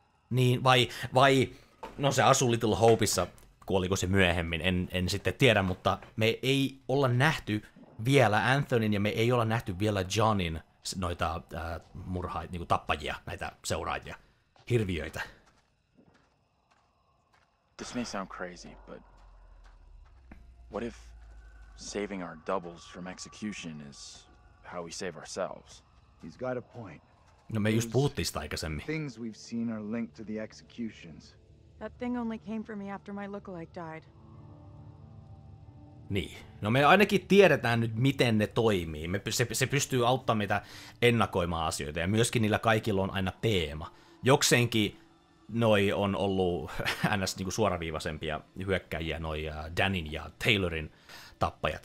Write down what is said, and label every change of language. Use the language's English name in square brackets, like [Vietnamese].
[Finnish] Niin, vai no se asui Little Hopeissa, kuoliko se myöhemmin, en sitten tiedä, mutta me ei olla nähty vielä Anthonyn ja me ei olla nähty vielä Johnin noita murhaajia, niinku tappajia, näitä seuraajia, hirviöitä. [English] This may sound crazy, but what if saving our doubles from execution is how we save ourselves? He's got a point. [Finnish] No me just puhuttiin sitä aikaisemmin. [English] Things we've seen are linked to the executions. That thing only came for me after my lookalike died. [Finnish] Niin. No me ainakin tiedetään nyt, miten ne toimii. Se pystyy auttamaan meitä ennakoimaan asioita, ja myöskin niillä kaikilla on aina teema. Jokseenkin noi on ollut ns. Niinku suoraviivaisempia hyökkäjiä, noi Danin ja Taylorin tappajat.